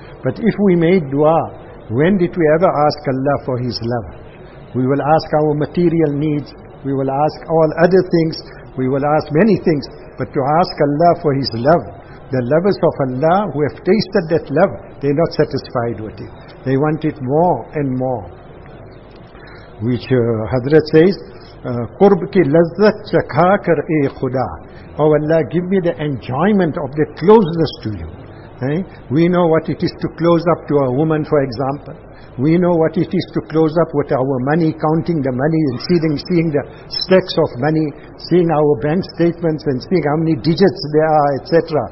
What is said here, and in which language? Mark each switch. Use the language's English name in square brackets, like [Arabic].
[English] But if we made dua, when did we ever ask Allah for His love? We will ask our material needs. We will ask all other things. We will ask many things. But to ask Allah for His love, the lovers of Allah who have tasted that love, they are not satisfied with it. They want it more and more. Which Hadrat says, [Urdu] قرب کی لذت چکھا کر اے خدا. [English] Oh Allah, give me the enjoyment of the closeness to you. We know what it is to close up to a woman, for example. We know what it is to close up with our money, counting the money and seeing the stacks of money, seeing our bank statements and seeing how many digits there are, etc.